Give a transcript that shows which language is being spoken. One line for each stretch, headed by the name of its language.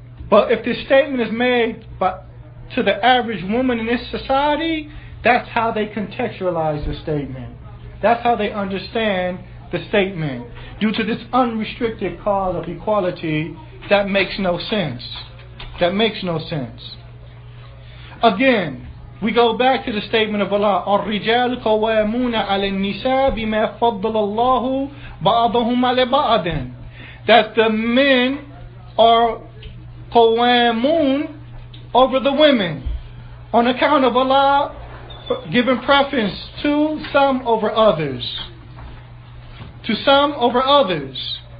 English: But if this statement is made to the average woman in this society, that's how they contextualize the statement. That's how they understand the statement. Due to this unrestricted cause of equality, that makes no sense. That makes no sense. Again, we go back to the statement of Allah,
Arabic: الرجال قوامون على النساء بما فضل الله بعضهم على بعض.
English: That the men are قوامون over the women on account of Allah giving preference to some over others. To some over others.